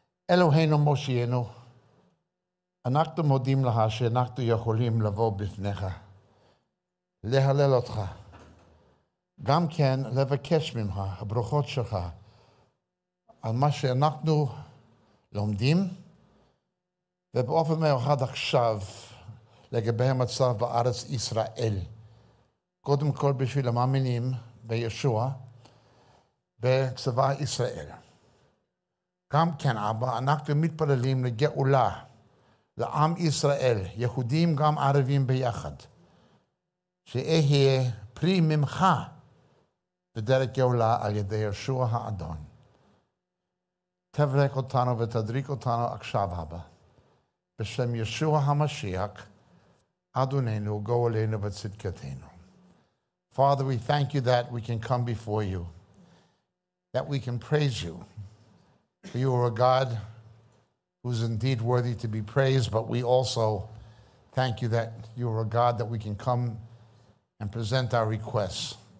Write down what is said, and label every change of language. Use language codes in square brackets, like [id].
[he] Eloheinu Moshiyenu, anachtu modim laha she'anachtu yacholim lavo bifnecha, lehalel otcha, gam ken levakesh mimcha, habrochot shecha, al ma she'anachtu lomdim, ובאופן מיוחד עכשיו לגבי המצב בארץ ישראל, קודם כל בשביל המאמינים בישוע בצבא ישראל. גם כן, אבא, אנחנו מתפללים לגאולה, לעם ישראל, יהודים גם ערבים ביחד, שיהיה פרי ממך בדרך גאולה על ידי ישוע האדון. תברך אותנו ותדריך אותנו עכשיו, אבא. בשם ישוע המשיח, אדוננו, גואלנו וצדקתנו. [en] Father, we thank you that we can come before you, that we can praise you. You are a God who is indeed worthy to be praised, but we also thank you that you are a God that we can come and present our requests.